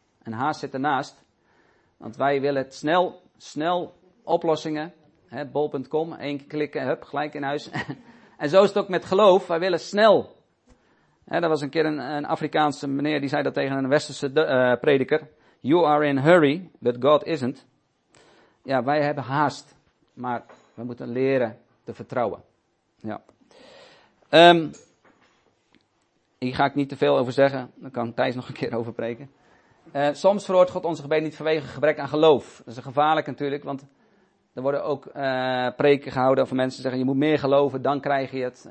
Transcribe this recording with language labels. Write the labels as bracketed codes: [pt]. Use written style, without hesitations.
[nl] En haast zit ernaast. Want wij willen het snel oplossingen. Bol.com, één keer klikken, hup, gelijk in huis. En zo is het ook met geloof. Wij willen snel. Er was een keer een Afrikaanse meneer die zei dat tegen een Westerse prediker. [en] You are in hurry, but God isn't. [nl] Ja, wij hebben haast, maar we moeten leren te vertrouwen. Ja. Hier ga ik niet te veel over zeggen, dan kan Thijs nog een keer over preken. Soms verhoort God onze gebeden niet vanwege gebrek aan geloof. Dat is gevaarlijk natuurlijk, want er worden ook preken gehouden van mensen die zeggen, je moet meer geloven, dan krijg je het.